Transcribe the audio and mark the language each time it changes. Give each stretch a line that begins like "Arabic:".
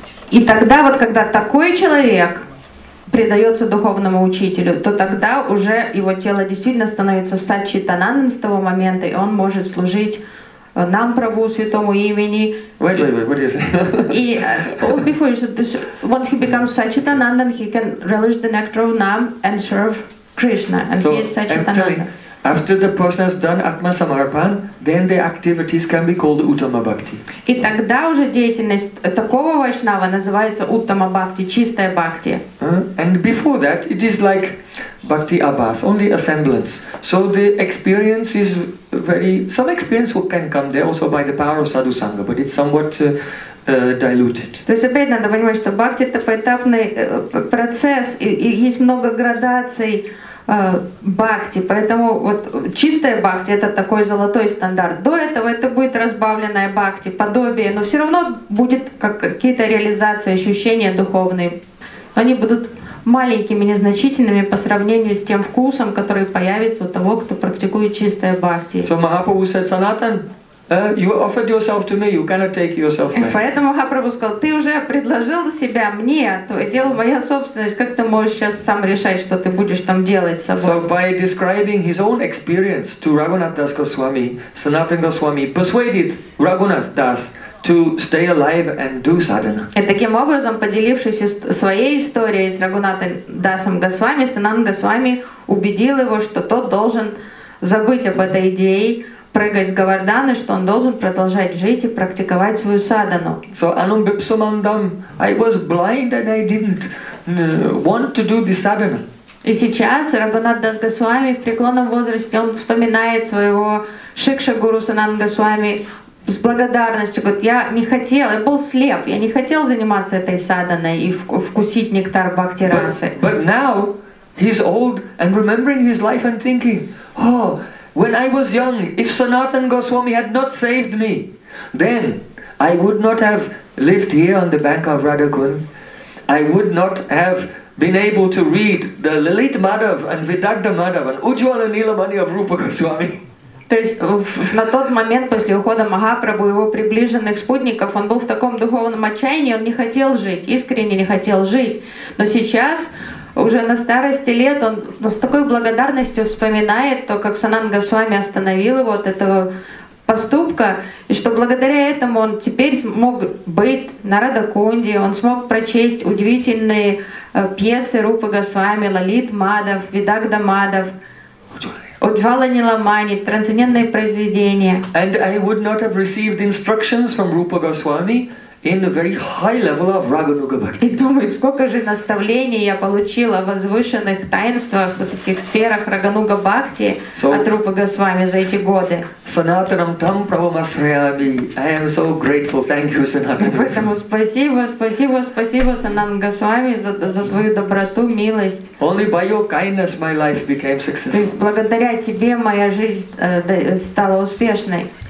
Russian: И тогда вот, когда такой человек предается духовному учителю, то тогда уже его тело действительно становится садчитананан с того момента, и он может служить нам, Прабху, святому имени.
English: Wait, what do you say? Before you said this, once he becomes садчитананан, he can relish the nectar of nam and serve Krishna, and so he is садчитананан. After the person has done atma samarpan, then the activities can be called uttama bhakti.
Russian: И тогда уже деятельность такого вайшнава называется уттама бхакти, чистая бхакти.
English: And before that, it is like bhakti abhas, only a semblance. So the experience is very, some experience can come there also by the power of sadhu sangha, but it's somewhat diluted.
Russian: То есть опять надо понимать, что бхакти — это поэтапный процесс, и есть много градаций бхакти. Поэтому вот чистая бхакти — это такой золотой стандарт. До этого это будет разбавленная бхакти, подобие, но все равно будет как какие-то реализации, ощущения духовные. Они будут маленькими, незначительными по сравнению с тем вкусом, который появится у того, кто практикует чистое бхакти.
English: So Mahaprabhu said, Sanatan, you offered yourself to me, you cannot take yourself back.
Russian: Поэтому Махапрабху сказал, ты уже предложил себя мне, твое дело, моя собственность, как ты можешь сейчас сам решать, что ты будешь там делать с собой?
English: So by describing his own experience to Raghunath Das Goswami, Sanatana Goswami persuaded Raghunath Das to stay alive and do sadhana.
Russian: И таким образом, поделившись своей историей с Рагунатом Дасом Госвами, Санатана Госвами убедил его, что тот должен забыть об этой идее, прыгать с Говарданы, что он должен продолжать жить и практиковать свою садхану.
English: So anum bipsumandam, I was blind and I didn't want to do the sadhana.
Russian: И сейчас Рагунат Дас Госвами в преклонном возрасте, он вспоминает своего шикша гуру Санатана Госвами с благодарностью, говорит, я не хотел, я был слеп, я не хотел заниматься этой садханой и вкусить нектар бхакти-расы.
English: But now he's old and remembering his life and thinking, oh, when I was young, if Sanatana Goswami had not saved me, then I would not have lived here on the bank of Radhakund. I would not have been able to read the Lalit Madhav and Vidagdha Madhav and Ujjwala Nilamani of Rupa Goswami.
Russian: То есть на тот момент после ухода Махапрабху и его приближенных спутников он был в таком духовном отчаянии, он не хотел жить, искренне не хотел жить. Но сейчас уже на старости лет он с такой благодарностью вспоминает то, как Санатана Госвами остановил его от этого поступка, и что благодаря этому он теперь смог быть на Радхакунде, он смог прочесть удивительные пьесы Рупы Госвами, Лалит Мадав, Видагда Мадав, Уджвала Ниламани, трансцендентные произведения.
English: And I would not have received instructions from Rupa Goswami in a very high level of Raganuga Bhakti.
Russian: И думаю, сколько же наставлений я получила возвышенных таинствах в таких сферах Рагануга Бхакти от Рупы Госвами за эти годы.
Sanskrit: Санатанам там правамасриами.
English: I am so grateful. Thank you, Санатан.
Russian: Поэтому спасибо, спасибо, спасибо, Санан Госвами, за твою доброту, милость.
English: Only by your kindness my life became successful.
Russian: То есть благодаря тебе моя жизнь стала успешной.